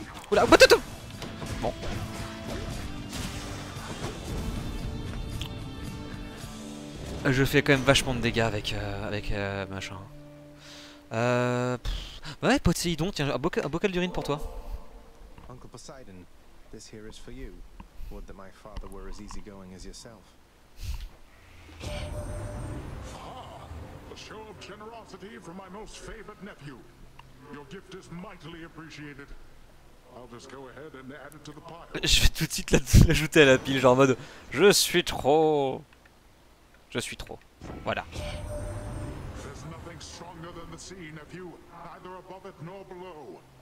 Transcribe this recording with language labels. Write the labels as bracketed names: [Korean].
[French] Oula, patate. Bon. Je fais quand même vachement de dégâts avec machin. Ouais, Poséidon, tiens, un bocal d'urine pour toi. [English] Uncle Poseidon, this here is for you. Would that my father were as easygoing as yourself. Ah, a show of generosity from my most favored nephew. Your gift is mightily appreciated. I'll just go ahead and add it to the pile. [French] Je vais tout de suite l'ajouter à la pile, genre en mode je suis trop. Je suis trop. Voilà. [English] There's nothing stronger than the sea, nephew, neither above it nor below.